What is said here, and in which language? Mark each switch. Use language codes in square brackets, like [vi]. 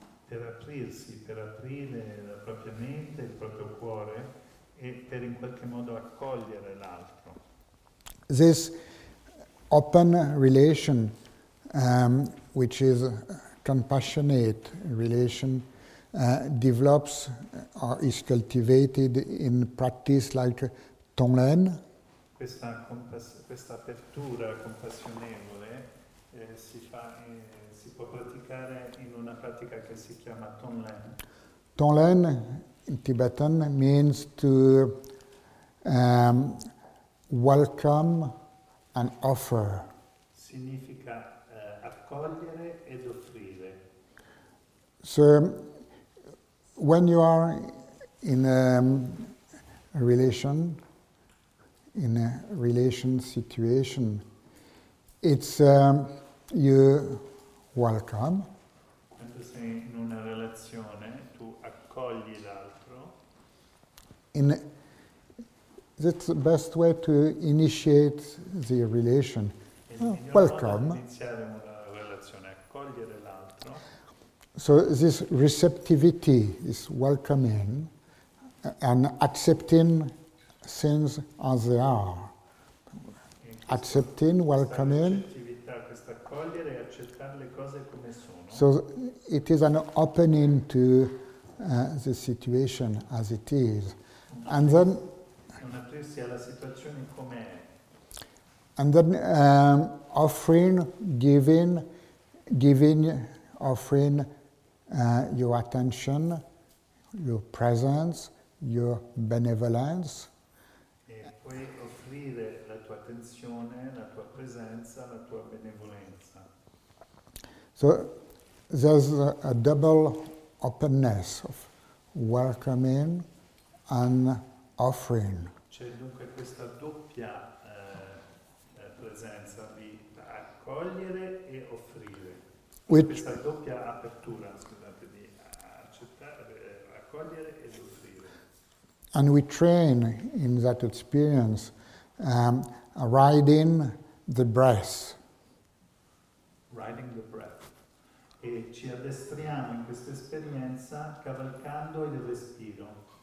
[it] Per aprirsi, per aprire la propria mente, il proprio cuore. E per in qualche modo accogliere l'altro. [en] This open relation, which is a compassionate relation, develops or is cultivated in practice like Tonglen. [it] Questa apertura compassionevole si può praticare in una pratica che si chiama Tonglen. [en] Tonglen in Tibetan means to welcome and offer. [it] Significa accogliere ed offrire. [en] So when you are in a relation situation, it's you welcome. [it] Quando sei in una relazione, tu accogli l'altro. [en] In that's the best way to initiate the relation. Welcome. [it] Iniziare una relazione, accogliere l'altro. [en] So this receptivity, this welcoming, and accepting things as they are. Accepting, welcoming. [it] Questa accogliere e accettare le cose come sono. [en] So it is an opening to the situation as it is. And then, offering your attention, your presence, your benevolence. [it] E puoi offrire la tua attenzione, la tua presenza, la tua benevolenza. [en] So there's a double openness of welcoming and offering. [it] C'è dunque questa doppia presenza di accogliere e offrire. Questa doppia apertura, scusate, di accettare, accogliere e offrire. [en] And we train in that experience riding the breath. Riding the breath. [it] E ci addestriamo in questa esperienza cavalcando il respiro.